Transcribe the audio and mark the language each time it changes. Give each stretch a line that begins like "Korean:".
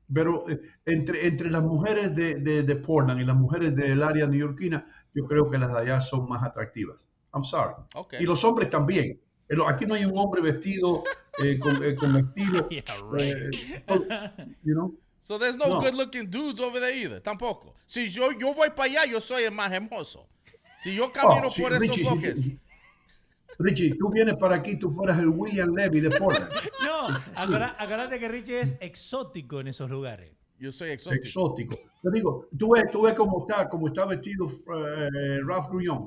Spanish: Pero entre las mujeres de Portland y las mujeres del área neoyorquina, yo creo que las de allá son más atractivas.
English: I'm sorry. Okay.
Spanish: Y los hombres también. Aquí no hay un hombre vestido con estilo.
English: Yeah, right. You know? So there's no good looking dudes over there either.
Spanish: Tampoco. Si yo voy para allá, yo soy el más hermoso. Si yo camino por esos Richie, bloques. Sí. Richie, tú vienes para aquí, tú fueras el William Levy de Portland. No, acuérdate que Richie es exótico en esos lugares. Yo soy exótico. Exótico. Te digo, tú ves cómo está vestido Ralph Grignon.